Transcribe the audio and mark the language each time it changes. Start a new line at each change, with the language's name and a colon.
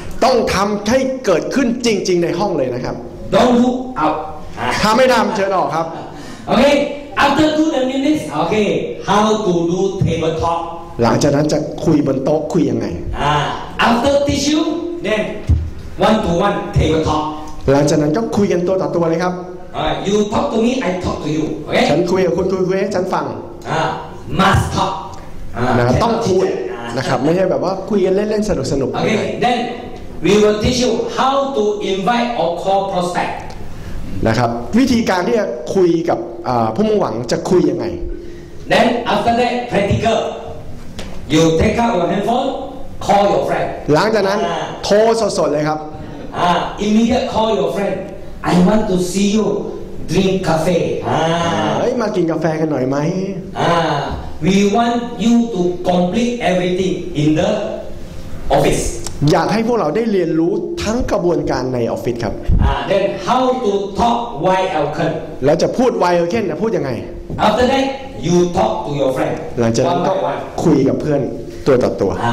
Thai: ต้องทำให้เกิดขึ้นจริงๆในห้องเลยนะครับ
English: Don't look out.
Thai: ถ้าไม่ทำเชิญออกครับ
English: Okay. After do the name list. Okay. How to do table talk.
Thai: หลังจากนั้นจะคุยบนโต๊ะคุยยังไง
English: After teach you, then one to one table talk.
Thai: หลังจากนั้นก็คุยกันตัวต่อตัวเลยครับ
English: You talk to me, I talk to you. Okay.
Thai: ฉันคุยกับคุณคุยให้ฉันฟัง
English: Must talk.
Thai: นะครับต้องพูดนะครับไม่ใช่แบบว่าคุยกันเล่นๆสนุกๆ
English: Okay. Then we will teach you how to invite or call prospect.
Thai: นะครับวิธีการที่จะคุยกับผู้มุ่งหวังจะคุยยังไง
English: Then after that practical, you take out your handphone, call your friend.
Thai: หลังจากนั้นโทรสดๆเลยครับ
English: immediate call your friend. I want to see you drink cafe.
Thai: มากินกาแฟกันหน่อยไหม
English: We want you to complete everything in the office.
Thai: อยากให้พวกเราได้เรียนรู้ทั้งกระบวนการในออฟฟิศครับ
English: Then how to talk while Elkin.
Thai: แล้วจะพูดwhile Elkin จะพูดยังไง
English: After that, you talk to your friend.
Thai: หลังจากนั้นก็คุยกับเพื่อนตัวต่อตัว